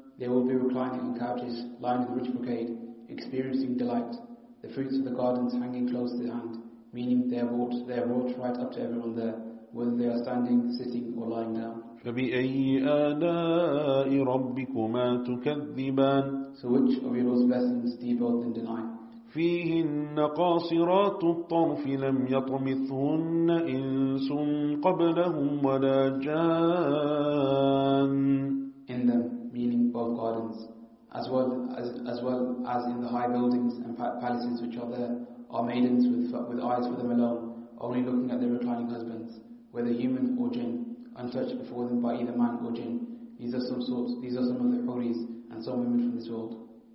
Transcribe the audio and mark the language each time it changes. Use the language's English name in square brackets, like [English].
[English] They will be reclining on couches lined with rich brocade, experiencing delight. The fruits of the gardens hanging close to the hand, meaning they are brought right up to everyone there, whether they are standing, sitting, or lying down. [Arabic] فبأي آلاء ربكما تكذبان. [English] So which of your Lord's blessings do you both then deny? [Arabic] فيهن قاصرات الطرف لم يطمثهن إنس قبلهم ولا جان. [English] In them, meaning both gardens, as well as in the high buildings and palaces which are there, are maidens with eyes for them alone, only looking at their reclining husbands, whether human or jinn, untouched before them by either man or jinn. These are some of the huris and some women from this world.